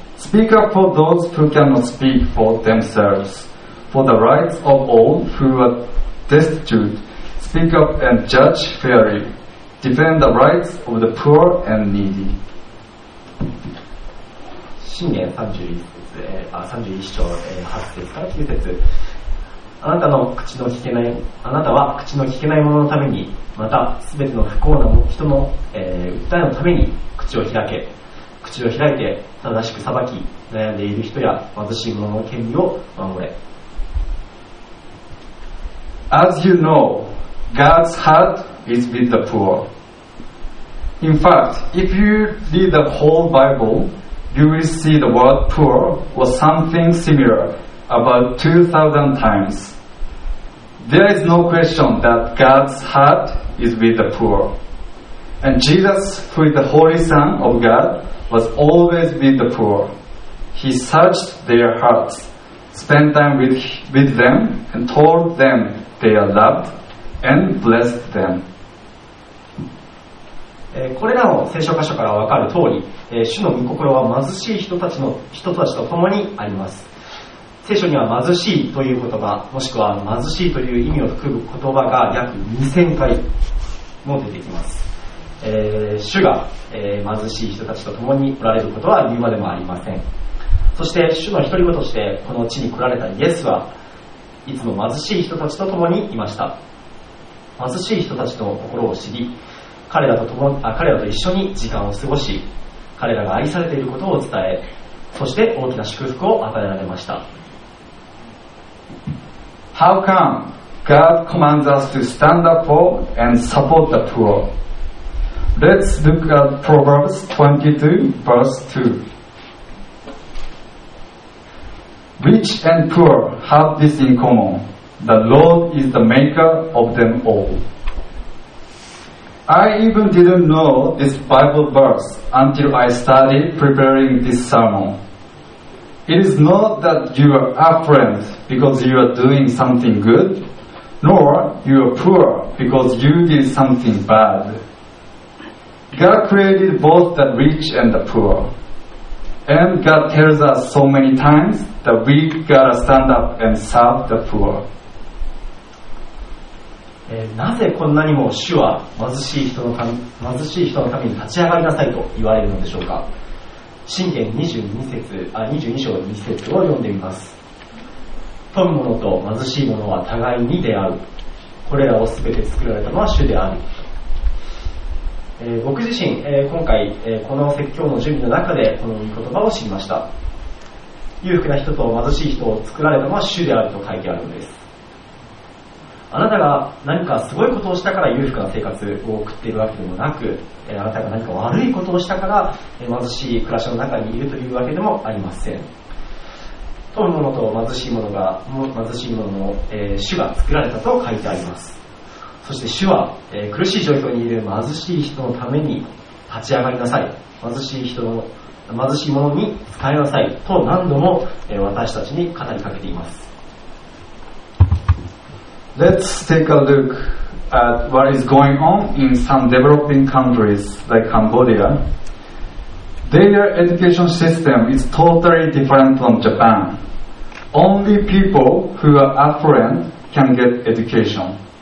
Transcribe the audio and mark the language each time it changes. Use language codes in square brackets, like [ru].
[en] Speak up for those who cannot speak for themselves, for the rights of all who are destitute. Speak up and judge fairly. Defend the rights of the poor and needy. [ja] 箴言 31章8節から9節、あなたは口の聞けない者のために、またすべての不幸な人の、訴えのために口を開いて正しく裁き、悩んでいる人や貧しい者の権利を守れ。 [en] As you know, God's heart is with the poor. In fact, if you read the whole BibleYou will see the word poor or something similar about 2,000 times. There is no question that God's heart is with the poor. And Jesus, who is the Holy Son of God, was always with the poor. He searched their hearts, spent time with them, and told them they are loved and blessed them. [ja] これらの聖書箇所から分かる通り、主の御心は貧しい人たちと共にあります。聖書には貧しいという言葉、もしくは貧しいという意味を含む言葉が約2000回も出てきます。主が、貧しい人たちと共におられることは言うまでもありません。そして主の独り子としてこの地に来られたイエスは、いつも貧しい人たちと共にいました。貧しい人たちの心を知り、彼らと一緒に時間を過ごし、彼らが愛されていることを伝え、そして大きな祝福を与えられました。 [en] How come God commands us to stand up for and support the poor. Let's look at Proverbs 22, verse 2. Rich and poor have this in common. The Lord is the maker of them all. I even didn't know this Bible verse until I started preparing this sermon. It is not that you are affluent because you are doing something good, nor you are poor because you did something bad. God created both the rich and the poor. And God tells us so many times that we gotta stand up and serve the poor. [ja] なぜこんなにも主は貧しい人のために立ち上がりなさいと言われるのでしょうか。箴言22章2節を読んでみます。富む者と貧しい者は互いに出会う。これらをすべて作られたのは主である。僕自身、今回、この説教の準備の中でこの言葉を知りました。裕福な人と貧しい人を作られたのは主であると書いてあるのです。あなたが何かすごいことをしたから裕福な生活を送っているわけでもなく、あなたが何か悪いことをしたから貧しい暮らしの中にいるというわけでもありません。富む者と貧しい者が貧しい者の主が作られたと書いてあります。そして主は苦しい状況にいる貧しい人のために立ち上がりなさい、貧しい者に使いなさいと何度も私たちに語りかけています。 [en] Let's take a look at what is going on in some developing countries like Cambodia. Their education system is totally different from Japan. Only people who are affluent can get education.